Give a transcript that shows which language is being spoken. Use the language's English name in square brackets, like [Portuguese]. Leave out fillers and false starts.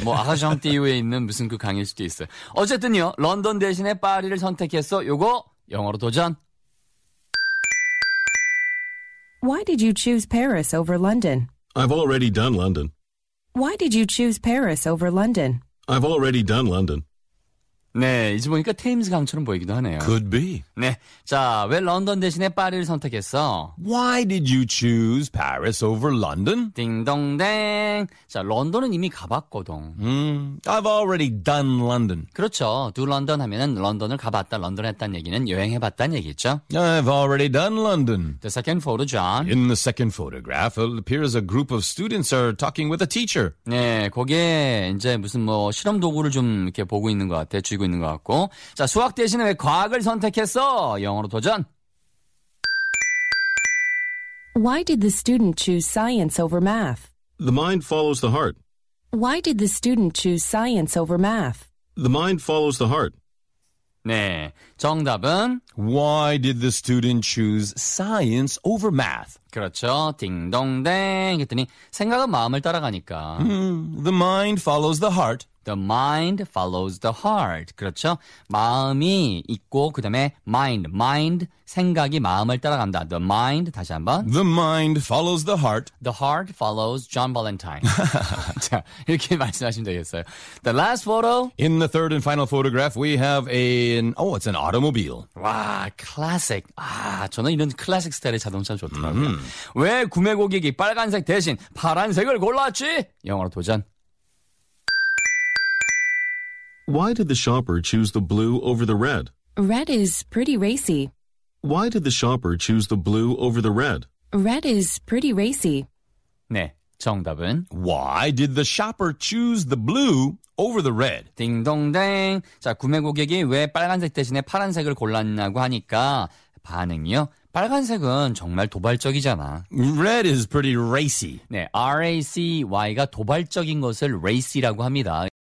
[Korean] 뭐 아르헨티우에 있는 무슨 그 강일 수도 있어요. 어쨌든요, 런던 대신에 파리를 선택했어. 요거 영어로 도전. [English] Why did you choose Paris over London? I've already done London. Why did you choose Paris over London? I've already done London. [Korean] 네, 이제 보니까 테임즈 강처럼 보이기도 하네요. [English] Could be. [Korean] 네, 자, 왜 런던 대신에 파리를 선택했어? [English] Why did you choose Paris over London? [Korean] 딩동댕. 자, 런던은 이미 가봤거든. [English] I've already done London. [Korean] 그렇죠. [English] Do London [Korean] 하면은 런던을 가봤다, 런던 했다는 얘기는 여행해봤다는 얘기죠. [English] I've already done London. The second photo, John. In the second photograph, it appears a group of students are talking with a teacher. [Korean] 네, 거기에 이제 무슨 뭐 실험 도구를 좀 이렇게 보고 있는 것 같아. 쥐고 있는 것 같고. 자, 수학 대신에 왜 과학을 선택했어? 영어로 도전. [English] Why did the student choose science over math? The mind follows the heart. Why did the student choose science over math? The mind follows the heart. [Korean] 네, 정답은 [English] Why did the student choose science over math? [Korean] 그렇죠, 딩동댕 했더니 생각은 마음을 따라가니까 [English] The mind follows the heart. The mind follows the heart. [Korean] 그렇죠, 마음이 있고 그 다음에 mind 생각이 마음을 따라간다. [English] The mind, [Korean] 다시 한번 [English] The mind follows the heart. The heart follows John Valentine. [Korean] 자, 이렇게 말씀하시면 되겠어요. [English] The last photo. In the third and final photograph, we have an Oh, it's an automobile. [Korean] 와, classic. 아, 저는 이런 classic 스타일의 자동차 좋더라고요. 왜 구매 고객이 빨간색 대신 파란색을 골랐지? 영어로 도전. [English] Why did the shopper choose the blue over the red? Red is pretty racy. Why did the shopper choose the blue over the red? Red is pretty racy. [Korean] 네, 정답은 [English] Why did the shopper choose the blue over the red? [Korean] 딩동댕. 자, 구매 고객이 왜 빨간색 대신에 파란색을 골랐냐고 하니까 반응이요. 빨간색은 정말 도발적이잖아. [English] Red is pretty racy. [Korean] 네, R-A-C-Y가 도발적인 것을 racy라고 합니다.